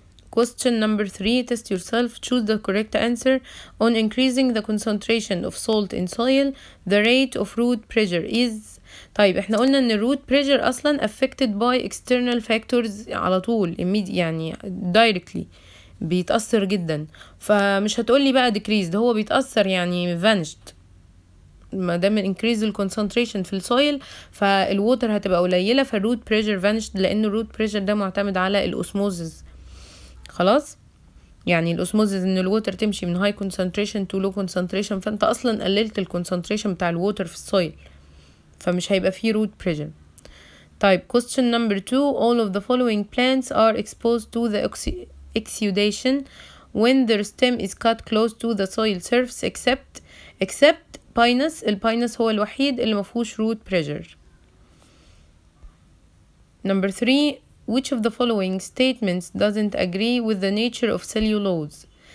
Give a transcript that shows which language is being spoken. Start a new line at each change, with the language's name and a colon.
English: Question number 3, test yourself, choose the correct answer. On increasing the concentration of salt in soil, the rate of root pressure is...
Arabic: طيب احنا قلنا ان root pressure اصلا
English: affected by external factors
Arabic: على طول, يعني directly بيتأثر جدا. فمش هتقولي بقى decreased, هو بيتأثر يعني vanished. ما دام
English: increase the concentration
Arabic: في الصويل فالwater هتبقى قليلة, فال
English: root pressure vanished,
Arabic: لان root pressure ده معتمد على الأسموزز. خلاص يعني الأسموزز ان الووتر تمشي من
English: high concentration to low concentration,
Arabic: فانت اصلا قللت الconcentration بتاع الووتر في الصويل فمش هيبقى فيه root pressure.
English: طيب question number 2, all of the following plants are exposed to the exudation when their stem is cut close to the soil surface except pinus.
Arabic: الباينس هو الوحيد اللي مفهوش root pressure.
English: Number 3, which of the following statements doesn't agree with the nature of cellulose.